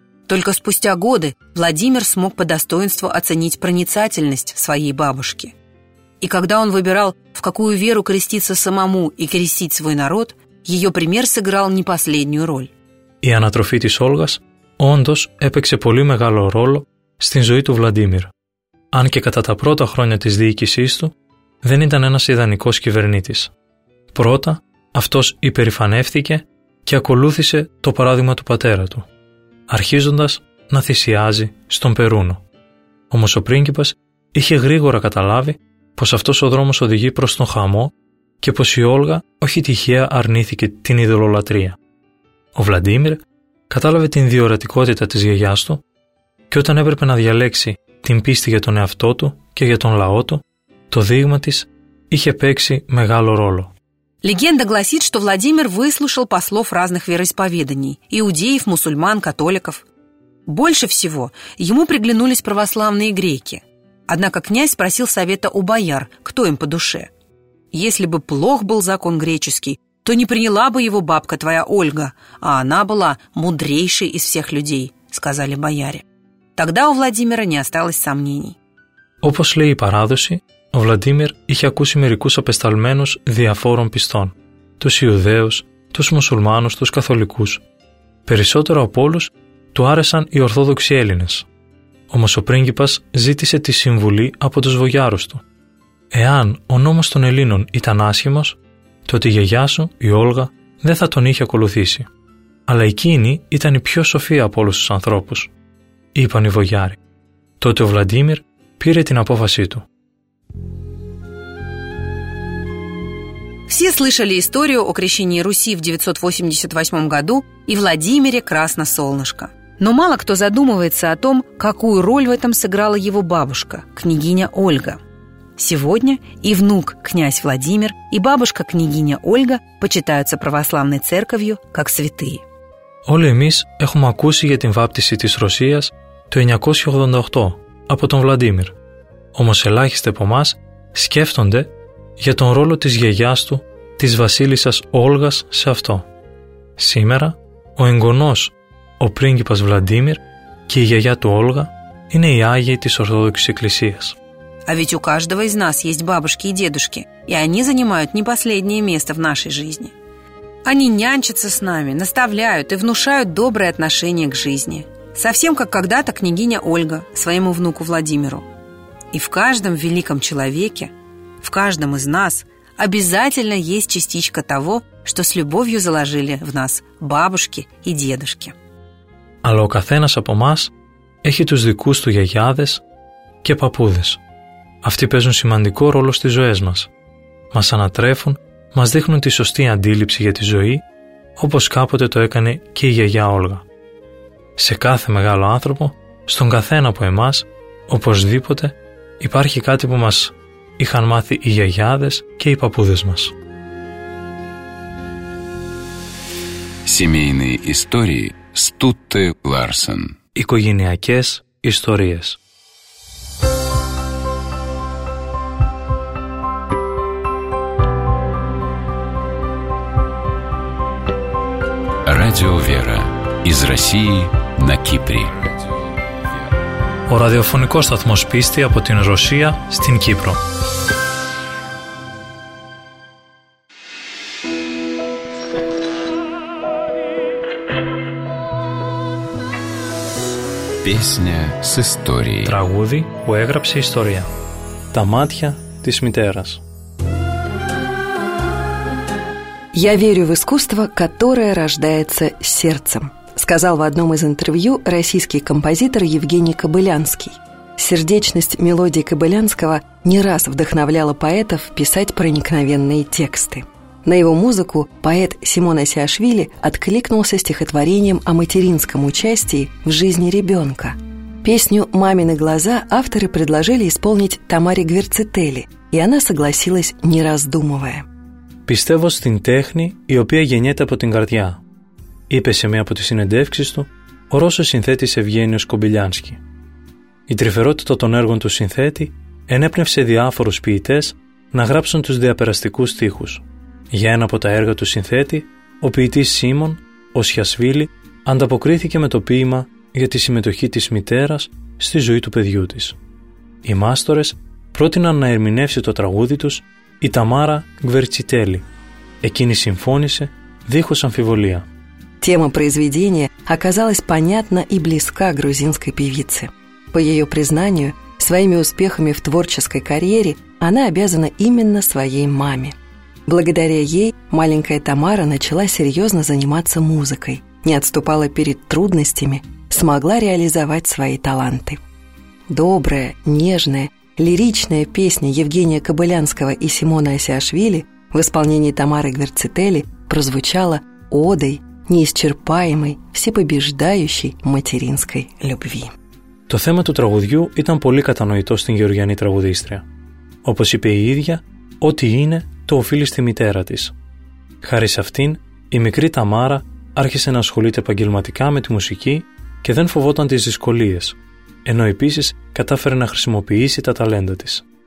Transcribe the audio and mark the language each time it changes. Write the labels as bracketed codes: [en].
[ru] Только спустя годы Владимир смог по достоинству оценить проницательность своей бабушки. И когда он выбирал, в какую веру креститься самому и крестить свой народ, ее пример сыграл не последнюю роль. [el] Η ανατροφή της Όλγας όντως έπαιξε πολύ μεγάλο ρόλο στην ζωή του Βλαντίμιρ. Αν και κατά τα πρώτα χρόνια της διοίκησής του, δεν ήταν ένας ιδανικός κυβερνήτης. Πρώτα, αυτός υπερηφανεύτηκε και ακολούθησε το παράδειγμα του πατέρα του, αρχίζοντας να θυσιάζει στον Περούνο. Όμως ο πρίγκιπας είχε γρήγορα καταλάβει πως αυτός ο δρόμος οδηγεί προς τον χαμό και πως η Όλγα όχι τυχαία αρνήθηκε την ειδωλολατρεία. Ο Βλαντίμιρ κατάλαβε την διορατικότητα της γιαγιάς του και όταν έπρεπε να διαλέξει την πίστη για τον εαυτό του και για τον λαό του, το δείγμα της είχε παίξει μεγάλο ρόλο. [ru] Легенда гласит, что Владимир выслушал послов разных вероисповеданий – иудеев, мусульман, католиков. Больше всего ему приглянулись православные греки. Однако князь спросил совета у бояр, кто им по душе. «Если бы плох был закон греческий, то не приняла бы его бабка твоя Ольга, а она была мудрейшей из всех людей», – сказали бояре. Тогда у Владимира не осталось сомнений. [el] Όπως λέει η παράδοση, ο Βλαντίμιρ είχε ακούσει μερικούς απεσταλμένους διαφόρων πιστών, τους Ιουδαίους, τους Μουσουλμάνους, τους Καθολικούς. Περισσότερο από όλους του άρεσαν οι Ορθόδοξοι Έλληνες. Όμως ο πρίγκιπας ζήτησε τη συμβουλή από τους βογιάρους του. Εάν ο νόμος των Ελλήνων ήταν άσχημος, τότε η γιαγιά σου, η Όλγα, δεν θα τον είχε ακολουθήσει. Αλλά εκείνη ήταν η πιο σοφή από όλους τους ανθρώπους, είπαν οι βογιάροι. Τότε ο Βλαντίμιρ πήρε την απόφασή του. [ru] Все слышали историю о крещении Руси в 988 году и Владимире Красносолнышко. Но мало кто задумывается о том, какую роль в этом сыграла его бабушка, княгиня Ольга. Сегодня и внук князь Владимир, и бабушка княгиня Ольга почитаются православной церковью как святые. [el] Όλοι εμείς έχουμε ακούσει για την βάπτιση της Ρωσίας το 988 από τον Βλαντίμιρ. Όμως ελάχιστοι από εμάς σκέφτονται για τον ρόλο της γιαγιάς του, της βασίλισσας Όλγας, σε αυτό. Σήμερα ο εγγονός, ο πρίγκιπας Βλαντίμιρ και η γιαγιά του Όλγα είναι οι Άγιοι της Ορθόδοξης Εκκλησίας. [ru] А ведь у каждого из нас есть бабушки и дедушки, и они занимают не последнее место в нашей жизни. Они нянчатся с нами, наставляют и внушают доброе отношение к жизни. Совсем как когда-то княгиня Ольга своему внуку Владимиру. И в каждом великом человеке, в каждом из нас обязательно есть частичка того, что с любовью заложили в нас бабушки и дедушки. Але у каждого из нас есть [el] тους дикους του γιαγιάδες και παππούδες. Αυτοί παίζουν σημαντικό ρόλο στις ζωές μας. Μας ανατρέφουν, μας δείχνουν τη σωστή αντίληψη για τη ζωή, όπως κάποτε το έκανε και η γιαγιά Όλγα. Σε κάθε μεγάλο άνθρωπο, στον καθένα από εμάς, οπωσδήποτε, υπάρχει κάτι που μας είχαν μάθει οι γιαγιάδες και οι παππούδες μας. [ru] Семейные истории Стутте Ларсен. [el] Οικογενειακές ιστορίες. [ru] Радио Вера. Из России на Кипре. [el] О радиофонικός сταθμός πίστη από την Ρωσία στην Κύπρο. [ru] Песня с историей. [el] Τραγούδι που έγραψε ιστορία. Τα μάτια της μητέρας. [ru] «Я верю в искусство, которое рождается сердцем», сказал в одном из интервью российский композитор Евгений Кобылянский. Сердечность мелодии Кобылянского не раз вдохновляла поэтов писать проникновенные тексты. На его музыку поэт Симон Асиашвили откликнулся стихотворением о материнском участии в жизни ребенка. Песню «Мамины глаза» авторы предложили исполнить Тамаре Гверцители, и она согласилась, не раздумывая. [el] «Πιστεύω στην τέχνη η οποία γεννιέται από την καρδιά», είπε σε μία από τις συνεντεύξεις του ο Ρώσος συνθέτης Ευγένιος Κομπυλιάνσκι. Η τρυφερότητα των έργων του συνθέτη ενέπνευσε διάφορους ποιητές να γράψουν τους διαπεραστικούς στίχους. Για ένα από τα έργα του συνθέτη, ο ποιητής Σίμων, ο Σιασβίλη, ανταποκρίθηκε με το ποίημα για τη συμμετοχή της μητέρας στη ζωή του παιδιού της. Οι μάστορες πρότειναν να ερμηνεύσει το τραγούδι τους η Тамара Гверцители. Εκείνη συμφώνησε, δίχως αμφιβολία. [ru] Тема произведения оказалась понятна и близка грузинской певице. По ее признанию, своими успехами в творческой карьере она обязана именно своей маме. Благодаря ей маленькая Тамара начала серьезно заниматься музыкой, не отступала перед трудностями, смогла реализовать свои таланты. Добрая, нежная, лиричная песня Евгения Кобылянского и Симона Асиашвили в исполнении Тамары Гверцители прозвучала одой неисчерпаемой, всепобеждающей материнской любви. [el] Το θέμα του τραγουδιού ήταν πολύ κατανοητό στην Γεωργιανή τραγουδίστρια. Όπως είπε η ίδια, ό,τι είναι το οφείλει στη μητέρα της. Χάρη σε αυτήν, η μικρή Τάμαρα άρχισε να ασχολείται επαγγελματικά με τη μουσική και δεν φοβόταν τις δυσκολίες, ενώ επίσης κατάφερε να χρησιμοποιήσει τα ταλέντα της.